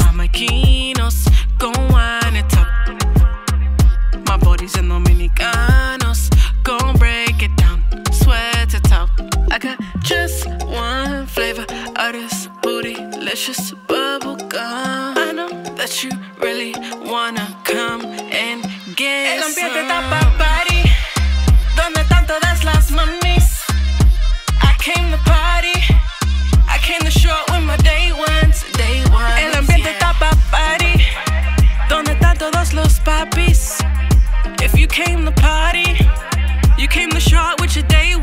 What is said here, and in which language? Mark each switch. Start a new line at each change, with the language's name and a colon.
English: All of my jamaicanos gon' wind it up. My body's in Dominicanos, gon' break it down, sweat it out. I got just one flavor of this bootylicious bubble. I know that you really wanna come and get some.
Spanish: El ambiente está pa' party, donde están todas las mamis.
English: I came to party, I came to show up with my day ones, day ones.
Spanish: El ambiente está pa' party, donde están todos los papis.
English: If you came to party, you came to show up with your day ones.